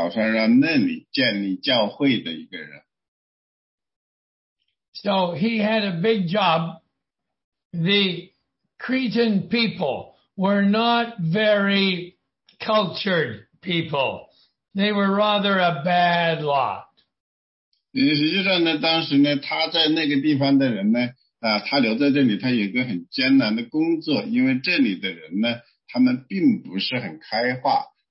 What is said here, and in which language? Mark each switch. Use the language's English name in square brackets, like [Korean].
[Chinese] 所以呢，实际上提多呢，就是保罗他留在一个岛上，岛上让那里建立教会的一个人。 [English] So he had a big job. The Cretan people were not very cultured people. They were rather a bad lot. [Chinese] 实际上呢，当时呢，他在那个地方的人呢，他留在这里，他有一个很艰难的工作，因为这里的人呢，他们并不是很开化。